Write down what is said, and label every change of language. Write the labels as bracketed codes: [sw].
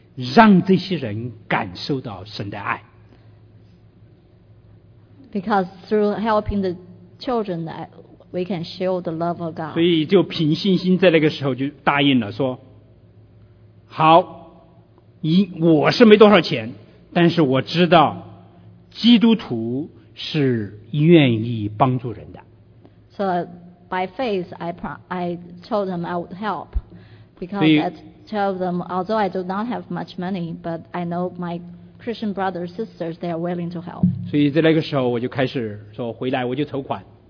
[zh] 这样我可以在中国大陆，通过帮助穷孩子，让这些人感受到神的爱。 [en] Because through helping the children, that we can show the love of God. [zh] 所以就凭信心在那个时候就答应了，说好，我是没多少钱，但是我知道基督徒是愿意帮助人的。So [en] by faith, I told them I would help because I told them although I do not have much money, but I know my Christian brothers sisters they are willing to help. [zh] 所以在那个时候我就开始说回来我就筹款。